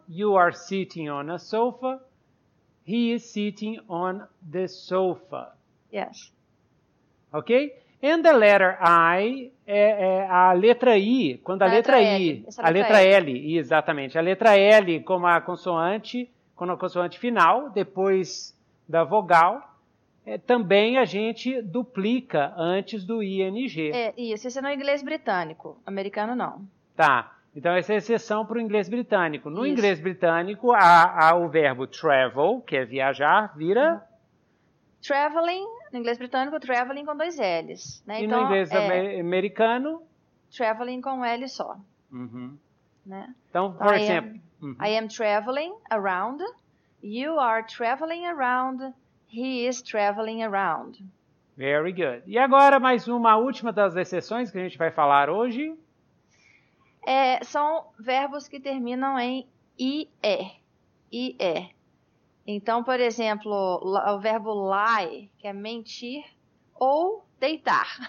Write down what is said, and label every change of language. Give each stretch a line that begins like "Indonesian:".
English: You are sitting on a sofa. He is sitting on the sofa. Yes. Ok? And the letter I
Portuguese: é a letra I. Quando a letra L. Exatamente. A letra L, como a consoante. Quando a consoante final, depois da vogal, também a gente duplica antes do ING. Isso, esse é no inglês britânico, americano não. Tá, então essa é a exceção para o inglês britânico. No inglês britânico, há o verbo travel, que é viajar, vira... Traveling, no inglês britânico, traveling com dois L's. Né? E então, no inglês americano? Traveling com um L só. Né? Então, por exemplo...
English: I am traveling around, you are traveling around, he is traveling around. Very good.
Portuguese: E agora mais uma última das exceções que a gente vai falar hoje. São verbos que terminam em IE. IE. Então, por exemplo, o verbo lie, que é mentir, ou deitar.